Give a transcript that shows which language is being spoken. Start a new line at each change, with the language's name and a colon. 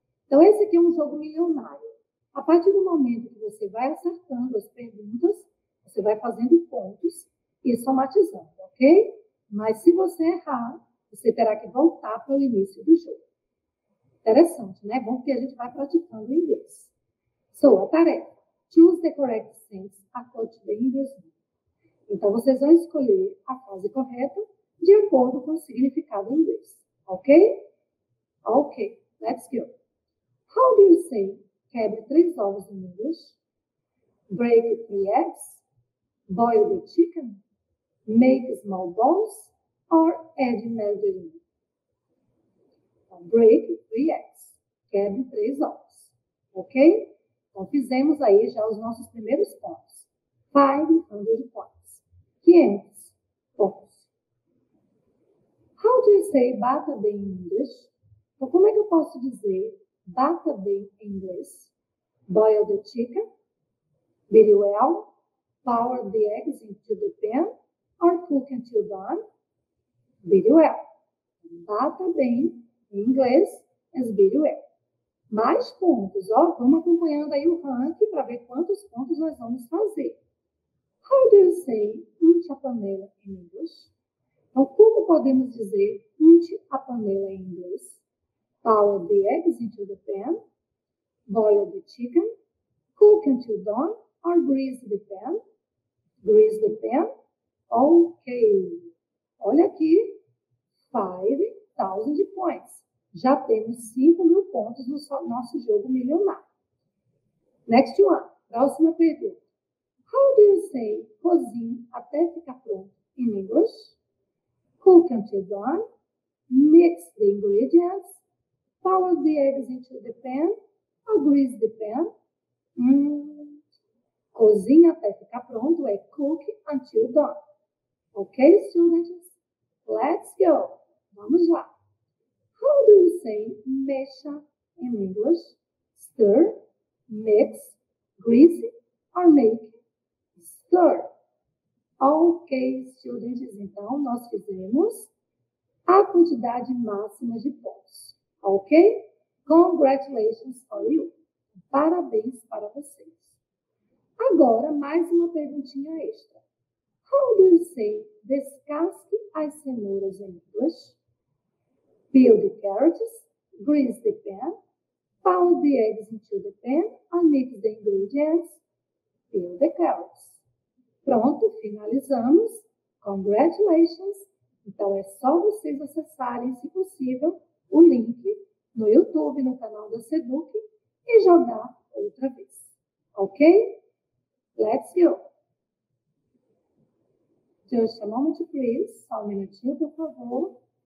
Portuguese: Então, esse aqui é um jogo milionário. A partir do momento que você vai acertando as perguntas, você vai fazendo pontos e somatizando, ok? Mas se você errar, você terá que voltar para o início do jogo. Interessante, né? Bom que a gente vai praticando inglês. So, a tarefa.
English: Choose the correct sentence according to the English word.
Portuguese: Então, vocês vão escolher a frase correta de acordo com o significado em inglês. Ok? Ok.
English: Let's go. How do you say
Portuguese: quebre três ovos em inglês?
English: Break three eggs? Boil the chicken? Make small balls or add margarine?
Portuguese: Então,
English: break three eggs.
Portuguese: Quebre três ovos. Ok? Então, fizemos aí já os nossos primeiros pontos. 500 points. 500 pontos.
English: How do you say
Portuguese: bata bem em inglês? Então, como é que eu posso dizer bata bem em inglês?
English: Boil the chicken. Beat it well. Power the eggs into the pan. Or cook until done? Beat it well.
Portuguese: Bata bem em inglês
English: as beat it well.
Portuguese: Mais pontos, ó. Vamos acompanhando aí o ranking para ver quantos pontos nós vamos fazer.
English: How do you say
Portuguese: unte a panela em inglês? Então, como podemos dizer unte a panela em inglês?
English: Power the eggs into the pan. Boil the chicken. Cook until done. Or grease the pan. Grease the pan.
Portuguese: Ok. Olha aqui.
English: 5,000 points.
Portuguese: Já temos 5,000 pontos no nosso jogo milionário.
English: Next one.
Portuguese: Próxima pergunta.
English: How do you say
Portuguese: cozinhe até ficar pronto
English: in English? Cook until done. Mix the ingredients. Power the eggs into the pan. Or grease the pan.
Portuguese: Cozinhe até ficar pronto é
English: cook until done. Ok, students? Let's go.
Portuguese: Vamos lá.
English: How do you say
Portuguese: mexa
English: in English? Stir, mix, grease, or make? Stir. Ok, students.
Portuguese: Então, nós fizemos a quantidade máxima de pontos. Ok?
English: Congratulations for you.
Portuguese: Parabéns para vocês. Agora, mais uma perguntinha extra.
English: How do you say
Portuguese: descasque as cenouras em inglês?
English: Peel the carrots, grease the pan, pound the eggs into the pan, and mix the ingredients, peel the carrots.
Portuguese: Pronto, finalizamos.
English: Congratulations!
Portuguese: Então é só vocês acessarem, se possível, o link no YouTube, no canal da Seduc, e jogar outra vez. Ok?
English: Let's go! Just a moment, please.
Portuguese: Só um minutinho, por favor.